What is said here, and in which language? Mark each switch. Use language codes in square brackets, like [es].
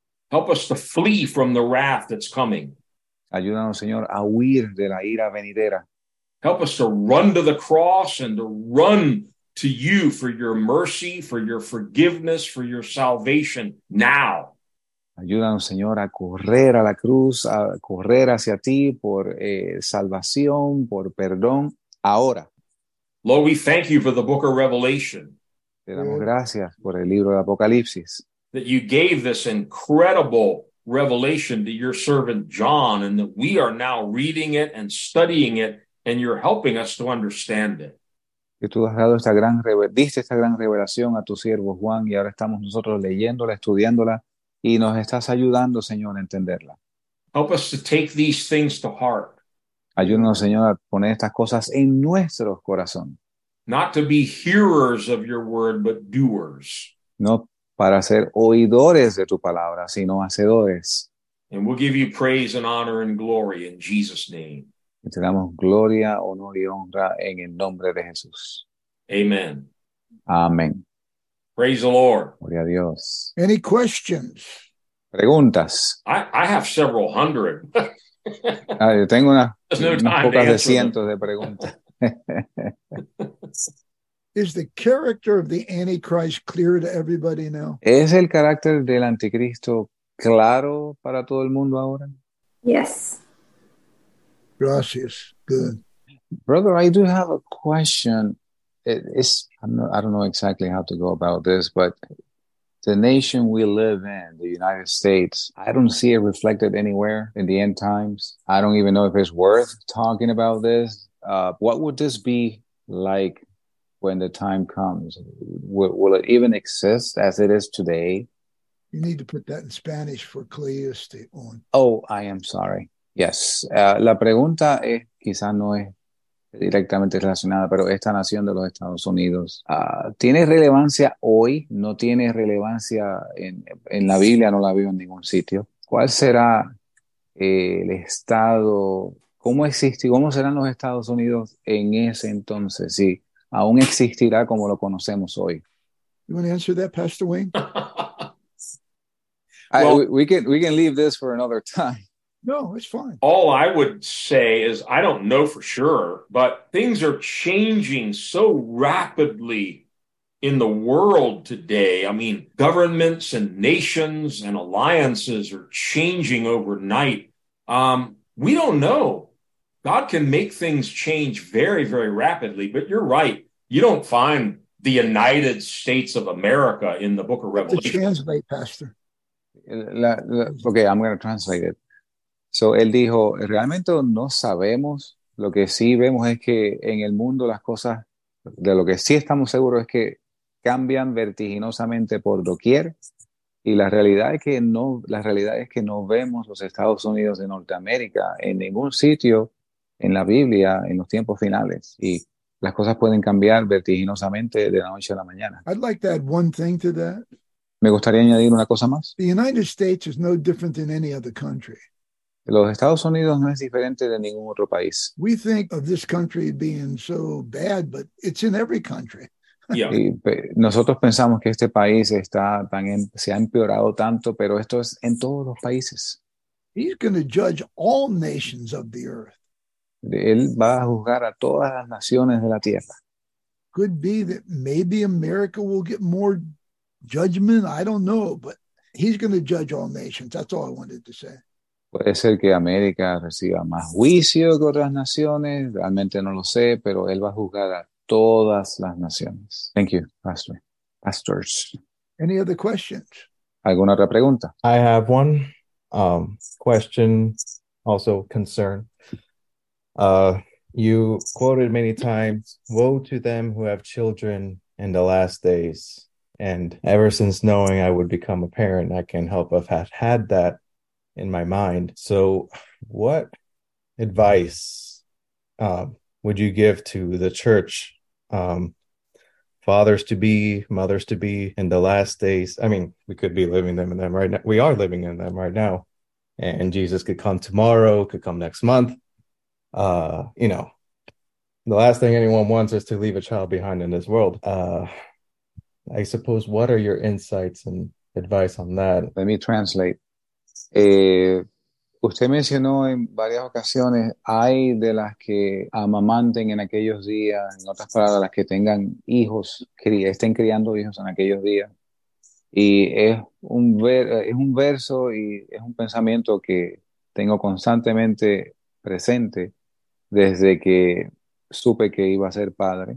[en] Help us to flee from the wrath that's coming. [es] Ayúdanos, Señor, a huir de la ira venidera. [en] Help us to run to the cross and to run to you for your mercy, for your forgiveness, for your salvation now. [es] Ayúdanos, Señor, a correr a la cruz, a correr hacia ti por salvación, por perdón, ahora. [en] Lord, we thank you for the book of Revelation. [es] Te damos gracias por el libro de Apocalipsis. [en] That you gave this incredible revelation to your servant John, and that we are now reading it and studying it, and you're helping us to understand it. [es] Que tú has dado diste esta gran revelación a tu siervo Juan, y ahora estamos nosotros leyéndola, estudiándola, y nos estás ayudando, Señor, a entenderla. [en] Help us to take these things to heart. [es] Ayúdanos, Señor, a poner estas cosas en nuestro corazón. [en] Not to be hearers of your word, but doers. [es] No para ser oidores de tu palabra, sino hacedores. [en] And we'll give you praise and honor and glory in Jesus' name. [es] Te damos gloria, honor y honra en el nombre de Jesús. [en] Amen. [es] Amen. [en] Praise the Lord. [es] Gloria a Dios. [en] Any questions? [es] Preguntas. [en] I have several hundred. [es] Yo tengo unas pocas de cientos de preguntas. [en] Is the character of the Antichrist clear to everybody now? [es] ¿Es el carácter del anticristo claro para todo el mundo ahora? [en] Yes. [es] Gracias. [en] Good. Brother, I do have a question. I don't know exactly how to go about this, but the nation we live in, the United States, I don't see it reflected anywhere in the end times. I don't even know if it's worth talking about this. What would this be like when the time comes? Will it even exist as it is today? You need to put that in Spanish for clarity. Oh, I am sorry. Yes. [es] La pregunta es, quizás no es directamente relacionada, pero esta nación de los Estados Unidos, ¿tiene relevancia hoy? ¿No tiene relevancia en la Biblia? No la veo en ningún sitio. ¿Cuál será el estado? ¿Cómo existe? ¿Cómo serán los Estados Unidos en ese entonces? Sí. Aún existirá como lo conocemos hoy. [en] You want to answer that, Pastor Wayne? we can leave this for another time. No, it's fine. All I would say is I don't know for sure, but things are changing so rapidly in the world today. I mean, governments and nations and alliances are changing overnight. We don't know. God can make things change very, very rapidly, but you're right. You don't find the United States of America in the book of Revelation. Translate, Pastor. Okay, I'm going to translate it. [es] So él dijo, realmente no sabemos. Lo que sí vemos es que en el mundo las cosas, de lo que sí estamos seguros es que cambian vertiginosamente por doquier. Y la realidad es que no vemos los Estados Unidos de Norteamérica en ningún sitio en la Biblia, en los tiempos finales. Y las cosas pueden cambiar vertiginosamente de la noche a la mañana. [en] I'd like to add one thing to that. [es] Me gustaría añadir una cosa más. [en] The United States is no different than any other country. [es] Los Estados Unidos no es diferente de ningún otro país. [en] We think of this country being so bad, but it's in every country. Yeah. [es] Y nosotros pensamos que este país se ha empeorado tanto, pero esto es en todos los países. [en] He's going to judge all nations of the earth. [es] Él va a juzgar a todas las naciones de la tierra. [en] Could be that maybe America will get more judgment. I don't know, but he's going to judge all nations. That's all I wanted to say. [es] Puede ser que América reciba más juicio que otras naciones. Realmente no lo sé, pero él va a juzgar a todas las naciones. [en] Thank you, Pastor. Pastors. Any other questions? [es] ¿Alguna otra pregunta? [en] I have one question, also concern. You quoted many times, woe to them who have children in the last days. And ever since knowing I would become a parent, I can't help but have had that in my mind. So what advice would you give to the church, fathers to be, mothers to be in the last days? I mean, we could be living them in them right now. We are living in them right now. And Jesus could come tomorrow, could come next month. You know, the last thing anyone wants is to leave a child behind in this world. I suppose, what are your insights and advice on that? Let me translate. [es] Usted mencionó en varias ocasiones, hay de las que amamanten en aquellos días, en otras palabras, las que tengan hijos, estén criando hijos en aquellos días. Y es un verso y es un pensamiento que tengo constantemente presente desde que supe que iba a ser padre.